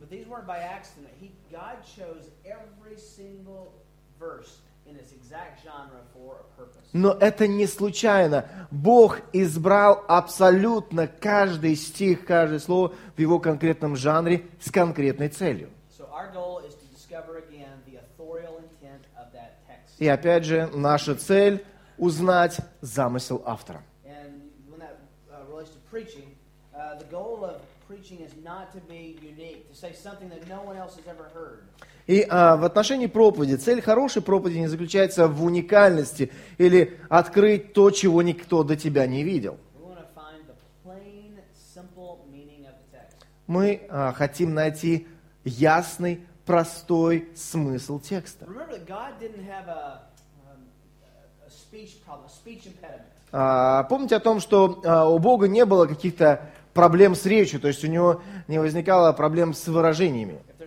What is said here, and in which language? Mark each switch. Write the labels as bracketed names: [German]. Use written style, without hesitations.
[English] But these weren't by accident. God chose every single verse in its exact genre for a purpose. [Russian] Но это не случайно. Бог избрал абсолютно каждый стих, каждое слово в его конкретном жанре с конкретной целью. [English] So our goal is to discover again the authorial intent of that text. [Russian] И опять же, наша цель узнать замысел автора. [English] And when that relates to preaching, the goal of preaching is not to be unique, to say something that no one else has ever heard. [Russian] И в отношении проповеди цель хорошей проповеди не заключается в уникальности или открыть то, чего никто до тебя не видел. [English] We want to find the plain, simple meaning of the text. [Russian] Мы хотим найти ясный, простой смысл текста. [English] Remember that God didn't have a speech problem, a speech impediment. [Russian] Помните о том, что у Бога не было каких-то проблем с речью, то есть у него не возникало проблем с выражениями.